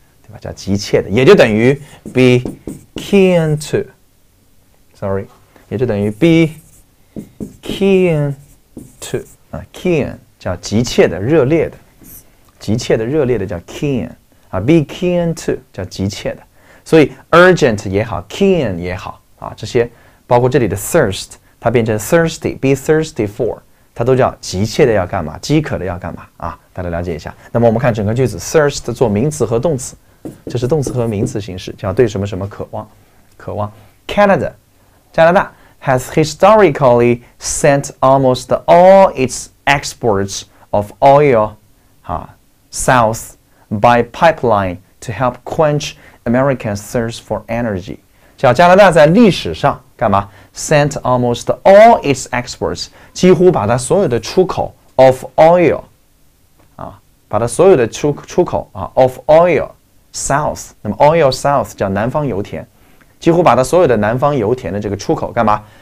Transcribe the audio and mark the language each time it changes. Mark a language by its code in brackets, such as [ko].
[zh] 对吧，叫急切的，也就等于 be keen to， sorry， 也就等于 be keen to， 啊 keen 叫急切的，热烈的，急切的，热烈的叫 keen， 啊 be keen to 叫急切的，所以 urgent 也好 ，keen 也好，啊这些包括这里的 thirst， 它变成 thirsty， be thirsty for， 它都叫急切的要干嘛，饥渴的要干嘛啊，大家了解一下。那么我们看整个句子 ，thirst 做名词和动词。这是动词和名词形式，叫对什么什么渴望，渴望。 [en] Canada， [zh] 加拿大 [en] has historically sent almost all its exports of oil south by pipeline to help quench America's thirst for energy。 [zh] 叫加拿大在历史上干嘛 ？ [en] Sent almost all its exports， [zh] 几乎把它所有的出口 of oil 啊，把它所有的出口啊 of oil。 South， 那么 oil south 叫南方油田，几乎把它所有的南方油田的这个出口干嘛？